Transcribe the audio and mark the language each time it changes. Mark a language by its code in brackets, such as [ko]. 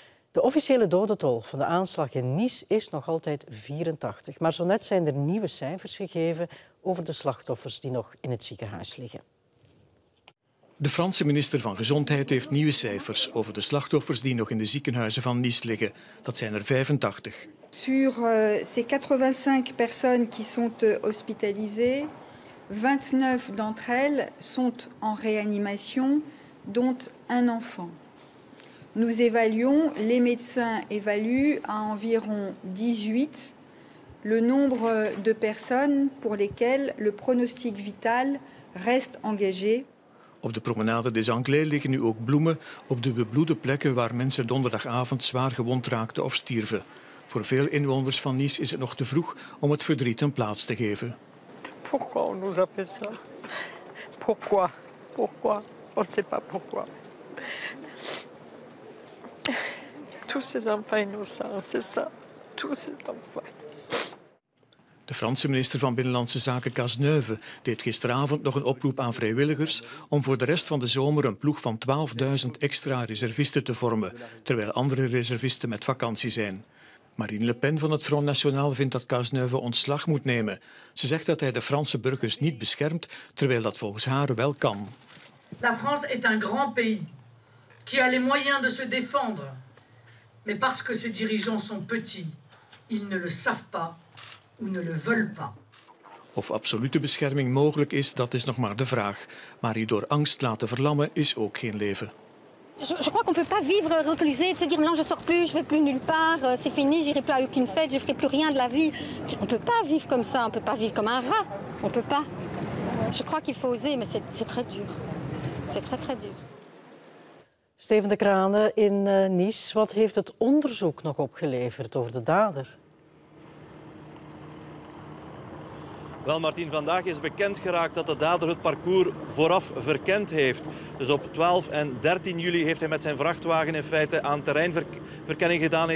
[nl] De officiële dodentol van de aanslag in Nice is nog altijd 84. Maar zo net zijn er nieuwe cijfers gegeven over de slachtoffers die nog in het ziekenhuis liggen. De Franse minister van Gezondheid heeft nieuwe cijfers over de slachtoffers die nog in de ziekenhuizen van Nice liggen. Dat zijn er 85. [fr] Sur ces 85 personnes qui sont hospitalisées, 29 d'entre elles sont en réanimation, dont un enfant. Nous évaluons, les médecins évaluent à environ 18 le nombre de personnes pour lesquelles le pronostic vital reste engagé. [nl] Op de promenade des Anglais liggen nu ook bloemen op de bebloede plekken waar mensen donderdagavond zwaar gewond raakten of stierven. Voor veel inwoners van Nice is het nog te vroeg om het verdriet een plaats te geven. [fr] Pourquoi on nous a fait ça? Pourquoi? Pourquoi? On ne sait pas pourquoi. Tous ces enfants innocents, c'est ça. tous ses enfants. [nl] De Franse minister van Binnenlandse Zaken Cazeneuve deed gisteravond nog een oproep aan vrijwilligers om voor de rest van de zomer een ploeg van 12.000 extra reservisten te vormen, terwijl andere reservisten met vakantie zijn. Marine Le Pen van het Front National vindt dat Cazeneuve ontslag moet nemen. Ze zegt dat hij de Franse burgers niet beschermt, terwijl dat volgens haar wel kan. [fr] La France est un grand pays qui a les moyens de se défendre, mais parce que ses dirigeants sont petits, ils ne le savent pas. [nl] Of absolute bescherming mogelijk is, dat is nog maar de vraag. Maar hierdoor angst laten verlammen is ook geen leven. [fr] Je crois qu'on peut pas vivre reclusé, te dire non, je sors plus, je vais plus nulle part, c'est fini, j'irai plus à aucune fête, je ferai plus rien de la vie. On peut pas vivre comme ça, on peut pas vivre comme un rat. On peut pas. Je crois qu'il faut oser, mais c'est très dur. C'est très très dur. [nl] Steven de Kranen in Nice, wat heeft het onderzoek nog opgeleverd over de dader? Wel, Martin, vandaag is bekend geraakt dat de dader het parcours vooraf verkend heeft. Dus op 12 en 13 juli heeft hij met zijn vrachtwagen in feite aan terreinverkenning gedaan.